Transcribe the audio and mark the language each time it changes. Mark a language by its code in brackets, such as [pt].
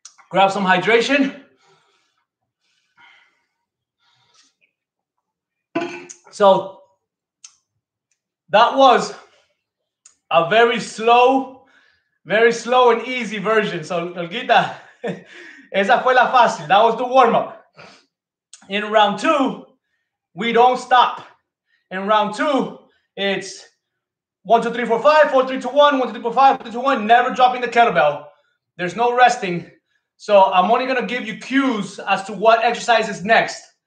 [en] Grab some hydration. So that was a very slow and easy version. [es] So Olguita, esa fue la fácil. [en] That was the warm-up. In round two, we don't stop. In round two, it's 1, 2, 3, 4, 5, 4, 3, 2, 1, 1, 2, 3, 4, 5, 4, 3, 2, 1, never dropping the kettlebell. There's no resting. So I'm only gonna give you cues as to what exercise is next.